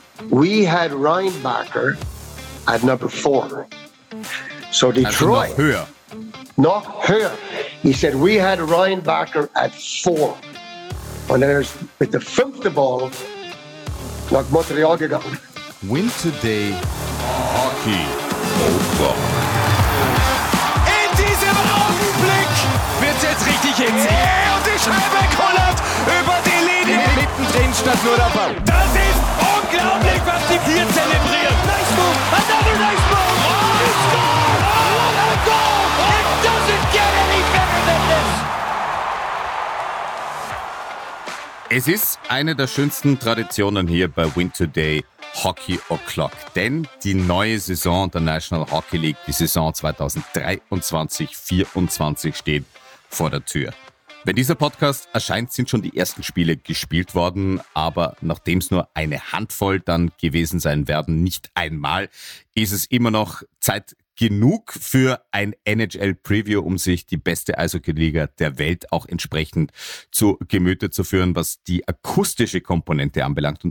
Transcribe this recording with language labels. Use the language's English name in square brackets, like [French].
[English] We had Ryan Barker at number 4. So Detroit. [German] Also noch höher. [English] He said, we had Ryan Barker at 4. And there's with the [German] fünfte Wahl, nach Montreal gegangen. [English] Win Today Hockey O'Clock. [German] In diesem Augenblick wird es jetzt richtig hitzig. Yeah, und die Scheibe kollert über die Linie. Mittendrin statt nur dabei. Das ist unglaublich, was die vier zelebrieren. [English] Nice move, another nice move. Oh, score! Oh, what a goal! It doesn't get any better than this. [German] Es ist eine der schönsten Traditionen hier bei Win Today Hockey O'Clock, denn die neue Saison der National Hockey League, die Saison 2023-24, steht vor der Tür. Wenn dieser Podcast erscheint, sind schon die ersten Spiele gespielt worden, aber nachdem es nur eine Handvoll dann gewesen sein werden, nicht einmal, ist es immer noch Zeit genug für ein NHL-Preview, um sich die beste Eishockey-Liga der Welt auch entsprechend zu Gemüte zu führen, was die akustische Komponente anbelangt.